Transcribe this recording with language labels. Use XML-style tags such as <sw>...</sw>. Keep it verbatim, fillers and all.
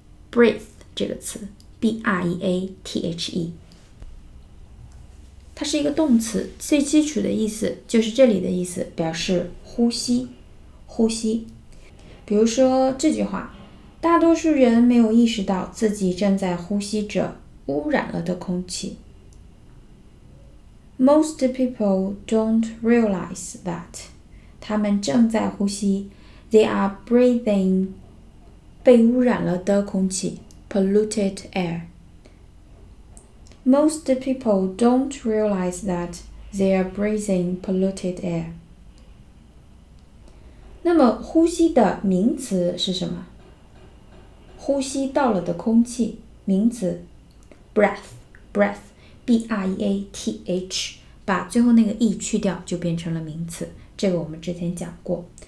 <zh>Breathe 这个词 B R E A T H E它是一个动词，最基础的意思就是这里的意思，表示呼吸，呼吸。比如说这句话，大多数人没有意识到自己正在呼吸着污染了的空气。</zh> <en>Most people don't realize that</en> <zh>他们正在呼吸</zh> <en>they are breathing</en> <zh>被污染了的空气</zh> <en>polluted air。 Most people don't realize that they are breathing polluted air.</en> <zh>那么呼吸的名词是什么？呼吸到了的空气，名词 breath, breath, B R E A T H, 把最后那个 e 去掉就变成了名词，这个我们之前讲过。</zh>